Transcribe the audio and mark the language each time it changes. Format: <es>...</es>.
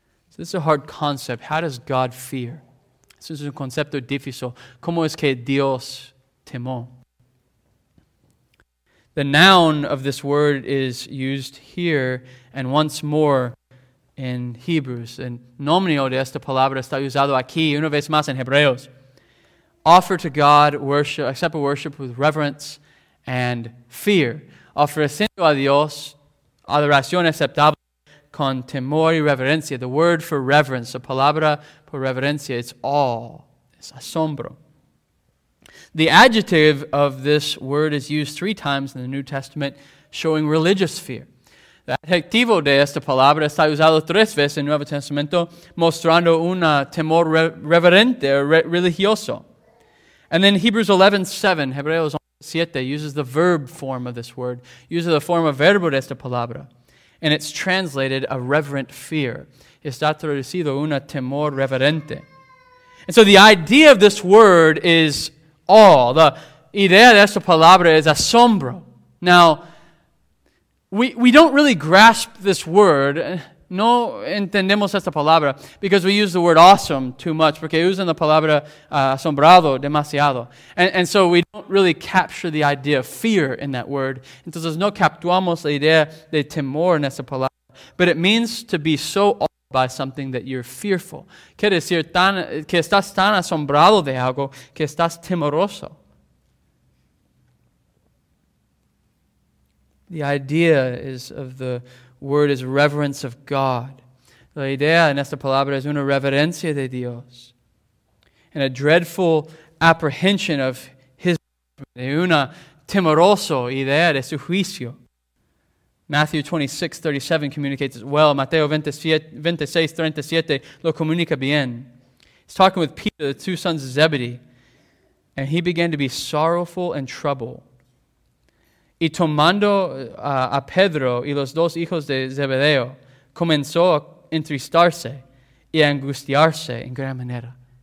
<en>So this is a hard concept. How does God fear? This is</en> <es>un concepto difícil. ¿Cómo es que Dios temó?</es> <en>The noun of this word is used here and once more in Hebrews.</en> <es>El nominio de esta palabra está usado aquí una vez más en Hebreos.</es> <en>Offer to God worship, accept a worship with reverence and fear.</en> <es>Ofreciendo a Dios adoración aceptable con temor y reverencia.</es> <en>The word for reverence, the</en> <es>palabra por reverencia,</es> <en>it's awe, it's asombro. The adjective of this word is used three times in the New Testament, showing religious fear.</en> <es>The adjetivo de esta palabra está usado tres veces en el Nuevo Testamento, mostrando un temor reverente, religioso.</es> <en>And then Hebreos 11:7 uses the verb form of this word, uses the form of</en> <es>verbo de esta palabra,</es> <en>and it's translated a reverent fear.</en> <es>Está traducido un temor reverente.</es> <en>And so the idea of this word is awe. The idea</en> <es>de esta palabra</es> <en>is asombro. Now, we don't really grasp this word.</en> <es>No entendemos esta palabra</es> <en>because we use the word awesome too much,</en> <es>porque usan la palabra asombrado demasiado.</es> <en>And so we don't really capture the idea of fear in that word.</en> <es>Entonces no capturamos la idea de temor en esa palabra.</es> <en>But it means to be so awed by something that you're fearful.</en> <es>Quiere decir tan, que estás tan asombrado de algo que estás temeroso.</es> <en>The idea is of the word is reverence of God.</en> <es>La idea en esta palabra es una reverencia de Dios.</es> <en>And a dreadful apprehension of His judgment.</en> <es>Una temeroso idea de su juicio.</es> <en>Matthew 26:37 communicates as well.</en> <es>Mateo 26:37 lo comunica bien.</es> <en>He's talking with Peter, the two sons of Zebedee. And he began to be sorrowful and troubled.</en> <es>Y tomando a Pedro y los dos hijos de Zebedeo, comenzó a entristarse y a angustiarse en gran manera.</es>